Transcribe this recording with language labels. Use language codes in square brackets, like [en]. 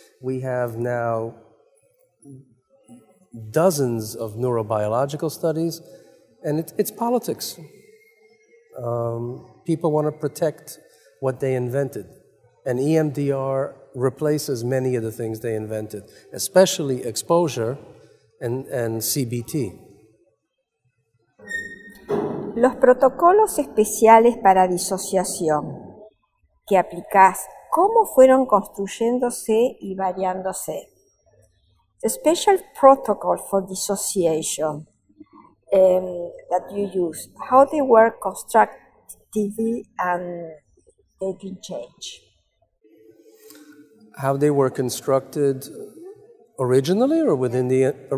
[en] We have now dozens of neurobiological studies, and it's politics. People want to protect what they invented, and EMDR replaces many of the things they invented, especially exposure and CBT. [es] Los protocolos especiales para disociación que aplicás, ¿cómo fueron construyéndose y variándose? [en] The special protocol for dissociation that you use, how they were constructed and they did change? How they were constructed originally or within the...